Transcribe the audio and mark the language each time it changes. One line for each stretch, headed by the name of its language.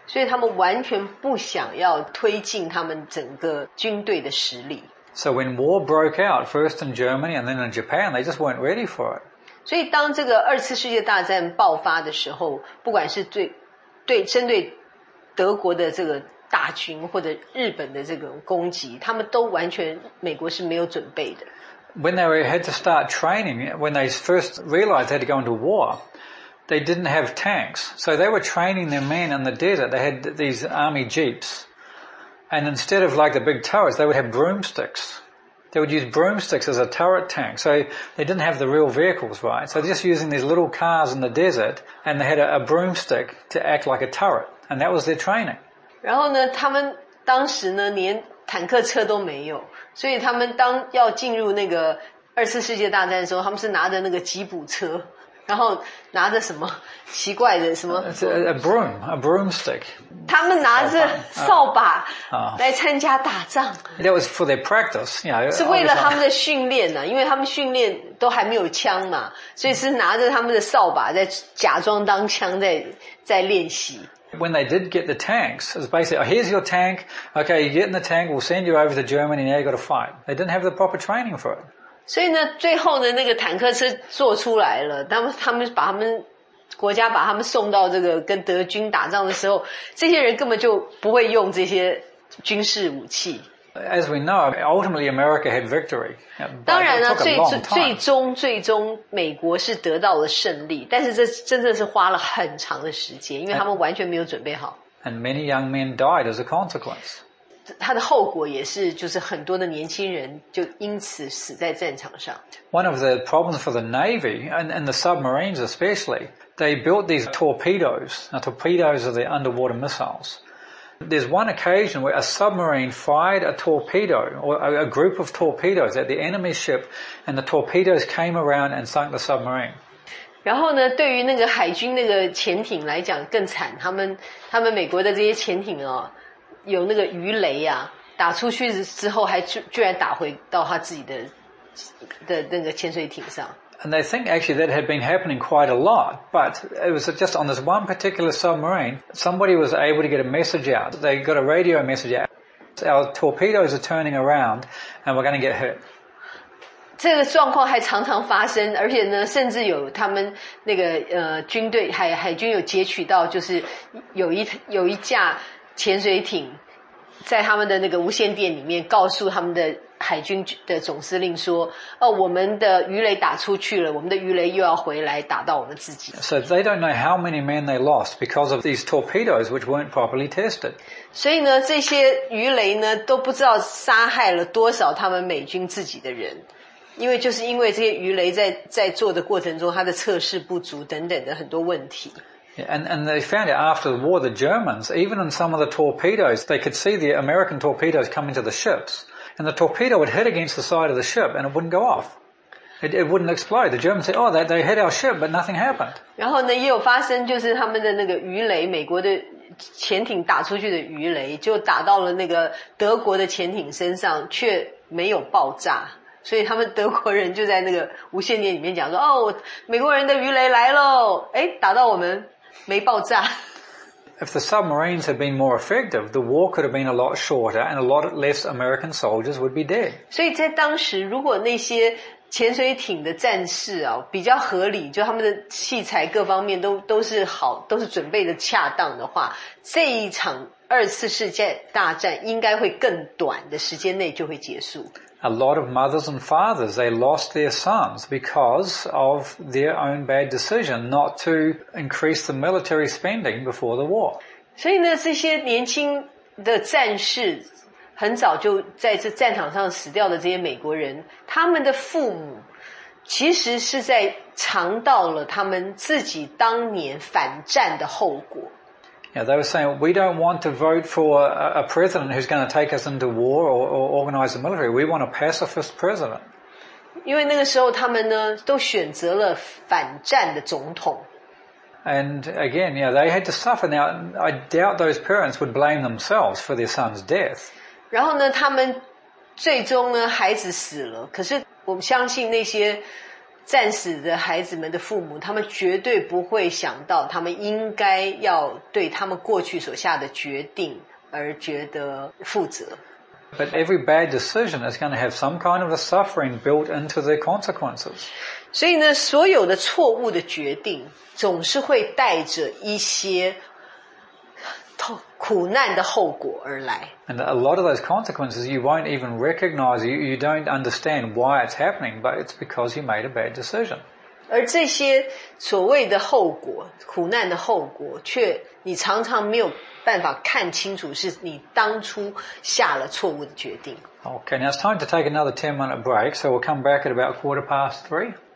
Chinese: 所以他们完全不想要推进他们整个军队的实力。
English: So when war broke out, first in Germany and then in Japan, they just weren't ready for it.
Chinese: 所以当这个二次世界大战爆发的时候，不管是针对德国的这个大军或者日本的这个攻击，他们都完全美国是没有准备的。
English: When they had to start training, when they first realized they had to go into war, they didn't have tanks. So they were training their men in the desert. They had these army jeeps. And instead of like the big turrets, they would have broomsticks. They would use broomsticks as a turret tank. So they didn't have the real vehicles, right? So just using these little cars in the desert, and they had a broomstick to act like a turret. And that was their training.
Chinese: 然后呢，他们当时呢连坦克车都没有，所以他们当要进入那个二次世界大战的时候，他们是拿着那个吉普车，然后拿着什么奇怪的什么
English: a broomstick
Chinese: 他们拿着扫把来参加打仗
English: That was for their practice you know,
Chinese: 是为了他们的训练、啊、因为他们训练都还没有枪嘛所以是拿着他们的扫把在假装当枪 在练习
English: When they did get the tanks, it was basically,、oh, here's your tank, okay, you get in the tank, we'll send you over to Germany, now you've got to fight. They didn't have the proper training for it.
Chinese: 所以呢最后的那个坦克车做出来了他们把他们国家把他们送到这个跟德军打仗的时候这些人根本就不会用这些军事武器。
English: As we know, ultimately America had victory.
Chinese: 当然了最终美国是得到了胜利但是这真的是花了很长的时间因为他们完全没有准备好。
English: And many young men died as a consequence.
Chinese: 他的后果也是就是很多的年轻人就因此死在战场上。
English: One of the problems for the Navy, and the submarines especially, they built these torpedoes. Now, torpedoes are the underwater missiles. There's one occasion where a submarine fired a torpedo or a group of torpedoes at the enemy ship and the torpedoes came around and sunk the submarine.
Chinese: 然后呢对于那个海军那个潜艇来讲更惨他们美国的这些潜艇、哦、有那个鱼雷啊打出去之后还居然打回到他自己 的那个潜水艇上。
English: And they think actually that had been happening quite a lot, but it was just on this one particular submarine, somebody was able to get a message out. They got a radio message out. Our torpedoes are turning around and we're going to get hurt.
Chinese: 这个状况还常常发生而且呢甚至有他们那个军队 海军有截取到就是有一架潜水艇在他们的那个无线电里面告诉他们的海军的总司令说哦，我们的鱼雷打出去了我们的鱼雷又要回来打到我们自己
English: So they don't know how many men they lost because of these torpedoes which weren't properly tested
Chinese: 所以呢这些鱼雷呢都不知道杀害了多少他们美军自己的人因为就是因为这些鱼雷在做的过程中它的测试不足等等的很多问题
English: And they found out after the war, the Germans, even in some of the torpedoes, they could see the American torpedoes coming to the ships. And the torpedo would hit against the side of the ship and it wouldn't go off. It wouldn't explode. The Germans said, oh, they hit our ship, but nothing happened.
Chinese: 然后呢也有发生就是他们的那个鱼雷美国的潜艇打出去的鱼雷就打到了那个德国的潜艇身上却没有爆炸。所以他们德国人就在那个无线电里面讲说哦美国人的鱼雷来咯诶打到我们没爆炸。
English: If the submarines had been more effective, the war could have been a lot shorter and a lot less American soldiers would be dead.
Chinese: 所以在当时如果那些潜水艇的战士啊比较合理就他们的器材各方面都是好都是准备的恰当的话这一场二次世界大战应该会更短的时间内就会结束。
English: A lot of mothers and fathers, they lost their sons because of their own bad decision not to increase the military spending before the war.
Chinese: 所以呢这些年轻的战士很早就在这战场上死掉的这些美国人他们的父母其实是在尝到了他们自己当年反战的后果。
English: Yeah, they were saying, we don't want to vote for a president who's going to take us into war or organize the military. We want a pacifist president.
Chinese: 因为那个时候他们呢都选择了反战的总统。
English: And again, yeah, they had to suffer. Now, I doubt those parents would blame themselves for their son's death.
Chinese: 然后呢他们最终呢孩子死了。可是我们相信那些战死的孩子们的父母他们绝对不会想到他们应该要对他们过去所下的决定而觉得负责。
English: But every bad decision is going to have some kind of a suffering built into the consequences.
Chinese: 所以呢所有的错误的决定总是会带着一些苦难的后果而来。
English: And a lot of those consequences you won't even recognize, you don't understand why it's happening, but it's because you made a bad decision.
Chinese: 而这些所谓的后果，苦难的后果，却你常常没有办法看清楚是你当初下了错误的决定。
English: Okay, now it's time to take another 10-minute break, so we'll come back at about quarter past four.